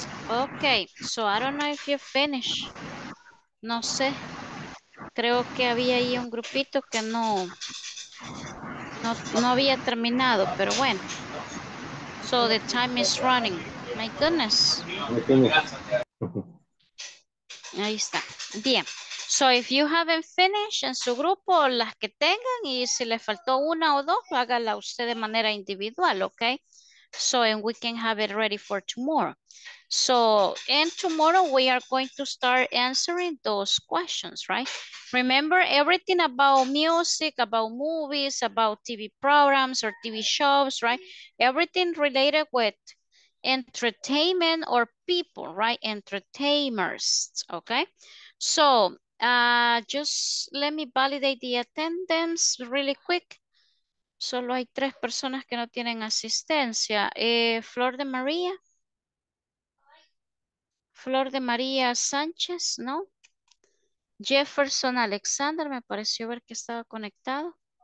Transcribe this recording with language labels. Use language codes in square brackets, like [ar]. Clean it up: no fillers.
[en] Okay, so I don't know if you finish. [es] No sé. Creo que había ahí un grupito que no había terminado, pero bueno. [en] So the time is running. My goodness. [es] Ahí está. Bien. [en] So if you haven't finished [es] en su grupo, las que tengan, y si le faltó una o dos, hágala usted de manera individual, okay? [en] So and we can have it ready for tomorrow. So and tomorrow we are going to start answering those questions, right? Remember everything about music, about movies, about TV programs or TV shows, right? Everything related with entertainment or people, right? Entertainers, okay? So just let me validate the attendance really quick. [es] Solo hay tres personas que no tienen asistencia. Flor de María. Flor de María Sánchez, ¿no? Jefferson Alexander, me pareció ver que estaba conectado.